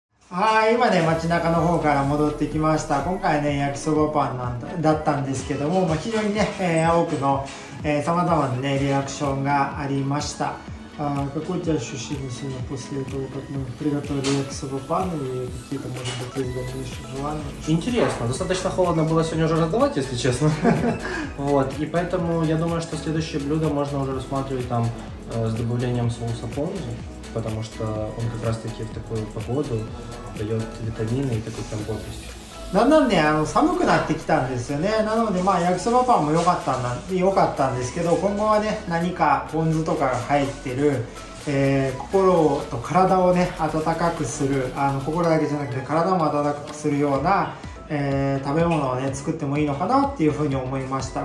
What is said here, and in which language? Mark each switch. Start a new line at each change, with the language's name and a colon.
Japanese: はい、今ね、街中の方から戻ってきました。今回ね、焼きそばパンなんだったんですけども、まあ、非常にね、多くの、様々なね、リアクションがありました。
Russian: какой у тебя ощущение сегодня после того, как мы приготовили эксопопан и какие-то, может быть, есть дальнейшие желания? Интересно. Достаточно холодно было сегодня уже раздавать, если честно. Вот. И поэтому я думаю, что следующее блюдо можно уже рассматривать там с добавлением соуса понзу, потому что он как раз таки в такую погоду дает витамины и такую там бодрость.
Japanese: だんだんね、寒くなってきたんですよね。なので、まあ、焼きそばパンも良かったんですけど、今後はね、何かポン酢とかが入ってる、心と体をね、温かくする、心だけじゃなくて体も温かくするような、食べ物をね、作ってもいいのかなっていうふうに思いました。